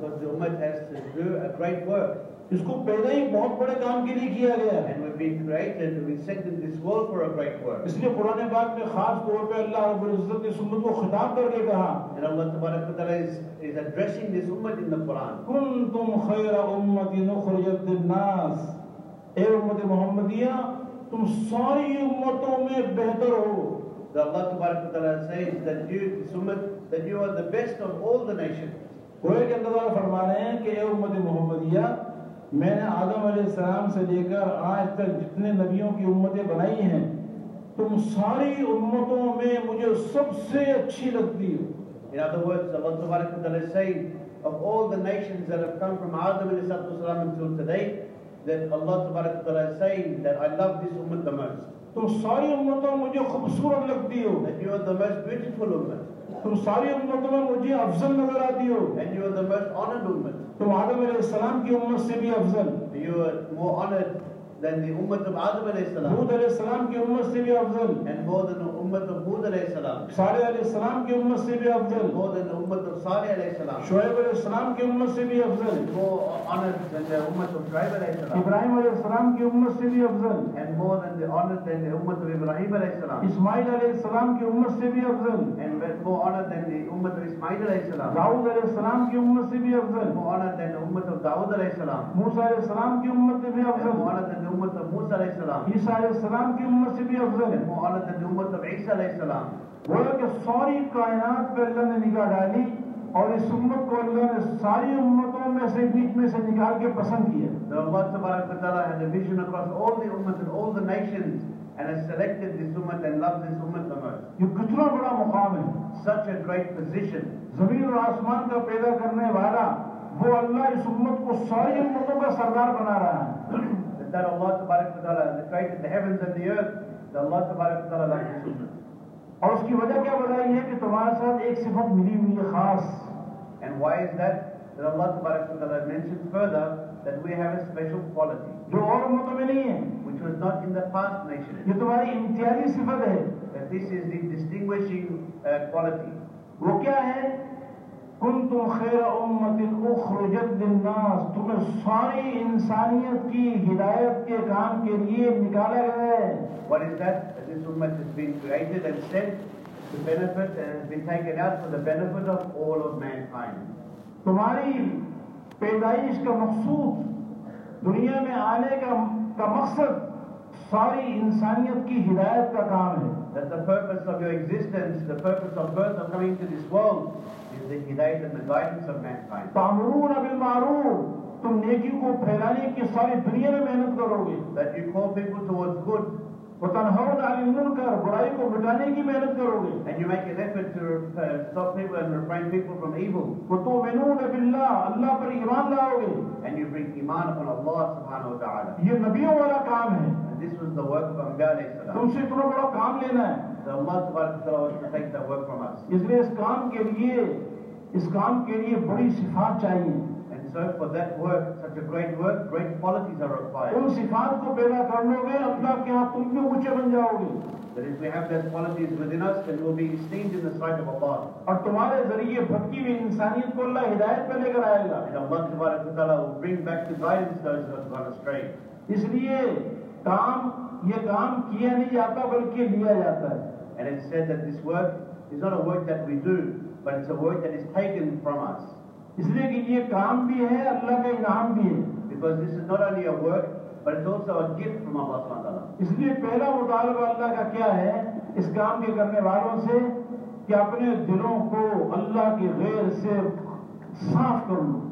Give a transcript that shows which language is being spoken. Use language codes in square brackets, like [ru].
[en] because the ummah has to do a great work. [hi] इसको पहले ही बहुत बड़े काम के लिए किया गया है. [en] And we've been created, we've been sent in this world for a great work. [hi] इसलिए पुराने बाग में खास तौर पे अल्लाह रब्बुल इज्जत ने उम्मत को खिताब करके कहा. [en] And Allah तबारक व तआला is addressing this ummah in the Quran. [ar] कुंतुम खैरा उम्मतिन उखरिजत लिन्नास. [hi] ए उम्मत मोहम्मदिया, तुम सारी उम्मतों में बेहतर हो. [en] The Allah तबारक व तआला says that you, this ummah, that you are the best of all the nations. [hi] Quran के अंदर फरमा रहे हैं कि ए उम्मत मोहम्मदिया, मैंने आदम अलैहिस्सलाम से लेकर आज तक जितने नबियों की उम्मतें बनाई हैं, तुम सारी उम्मतों में मुझे सबसे अच्छी लगती हो. [en] In other words, Allah Subhanahu wa Taala saying, of all the nations that have come from Adam alaihissalam until today, that Allah Subhanahu wa Taala saying that I love this ummah the most. [hi] तुम सारी उम्मतों में मुझे खूबसूरत लगती हो. [en] That you are the most beautiful ummah. [hi] तुम सारी उम्मतों में मुझे अफजल नजर आती हो. [en] And you are the most honored ummah. [hi] तुम आदम अलैहिस्सलाम की उम्मत से भी Afzal. [en] You are more honored than the ummah of Adam alaihissalam. [hi] हूद अलैहिस्सलाम की उम्मत से भी Afzal. [en] And more than the ummah of Hud alaihissalam. [hi] Saleh अलैहिस्सलाम की उम्मत से भी Afzal. [en] More than the ummah of Saleh alaihissalam. [hi] Shoaib अलैहिस्सलाम की उम्मत से भी Afzal. [en] More honored than the ummah of Shuaib alaihissalam. [hi] Ibrahim अलैहिस्सलाम की उम्मत से भी Afzal. [en] And more than the honored than the ummah of Ibrahim alaihissalam. [hi] Ismail अलैहिस्सलाम की उम्मत से भी Afzal. [en] And more honored than the ummah of Ismail alaihissalam. [hi] Dawood अलैहिस्सलाम की उम्मत से भी Afzal. [en] More honored than the ummah of Daud alaihissalam. [hi] मूसा अलैहिस्सलाम की उम्मत से भी Afzal. [en] More honored than the ummah of Musa alaihissalam. [hi] ईसा अलैहिस्सलाम की उम्मत से भी Afzal. [en] More honored than the ummah of Isa alaihissalam. [hi] बोला कि सारी कायनात पे अल्लाह ने निगाह डाली और इस उम्मत को अल्लाह ने सारी उम्मतों में से बीच में से निकाल के पसंद किया. [en] The Allah Subhanahu wa Taala had a vision across all the ummat and all the nations and has selected this ummat and loved this ummat the most. [hi] ये कितना बड़ा मुकाम है. [en] Such a great position. [hi] जमीन और आसमान का पैदा करने वाला वो अल्लाह इस उम्मत को सारी उम्मतों का सरदार बना रहा है. [en] That Allah Subhanahu wa Taala that created the heavens and the earth, the Allah Subhanahu wa Taala loved this ummat. [hi] और उसकी वजह क्या बताई है कि तुम्हारे साथ एक सिफत मिली हुई है खास. [en] And why is that? That Allah Tabarak wa Taala mentions further that we have a special quality. [hi] जो और उम्मतों में नहीं है. [en] Which was not in the past nation. [hi] ये तुम्हारी इम्तियाजी सिफत है. [en] That this is the distinguishing quality. [hi] वो क्या है? [ar] कुंतुम खैरा उम्मतिन उखरजत लिन्नास. [hi] तुम्हें सारी इंसानियत की हिदायत के काम के लिए निकाला गया है. [en] What is that? This ummah has been created and sent to benefit and has been taken out for the benefit of all of mankind. [hi] तुम्हारी पैदाइश का मकसूद, दुनिया में आने का मकसद सारी इंसानियत की हिदायत का काम है. [en] That the purpose of your existence, the purpose of birth, of coming to this world, is the hidayat and the guidance of mankind. [ar] तामरून अबिल मारू, [hi] तुम नेकी को फैलाने की सारी दुनिया में मेहनत करोगे. [en] That you call people towards good. [ar] वतनहून अनिल मुनकर, [hi] बुराई को मिटाने की मेहनत करोगे. [en] And you make an effort to stop people and refrain people from evil. [ar] वतुमिनून बिल्लाह, [hi] अल्लाह पर ईमान लाओगे. [en] And you bring iman upon Allah subhanahu wa ta'ala. [hi] ये नबियों वाला काम है. [en] This was the work of Anbiya alayhissalam. [hi] तुमसे इतना बड़ा काम लेना है. [en] The Allah tabarak wa ta'ala to take that work from us. [hi] इसलिए इस काम के लिए बड़ी सिफात चाहिए. [en] And so for that work, such a great work, great qualities are required. [hi] उन सिफात को पैदा कर लोगे अपना के आप तुम भी ऊंचे बन जाओगे. [en] That if we have those qualities within us, then we'll be esteemed in the sight of Allah. [hi] और तुम्हारे जरिए भटकी हुई इंसानियत को अल्लाह हिदायत पर लेकर आएगा. [en] And Allah tabarak wa ta'ala will bring back to guidance those who have gone astray. [hi] इसलिए काम किया नहीं जाता बल्कि लिया जाता है. [en] And it's said that this work is not a work that we do, but it's a work that is taken from us. [hi] इसलिए कि ये काम भी है, अल्लाह का इनाम भी है. [en] Because this is not only a work, but it's also a gift from Allah Subhanahu wa Taala. [hi] इसलिए पहला मुतालबा अल्लाह का क्या है इस काम के करने वालों से कि अपने दिलों को अल्लाह के गैर से साफ कर लो.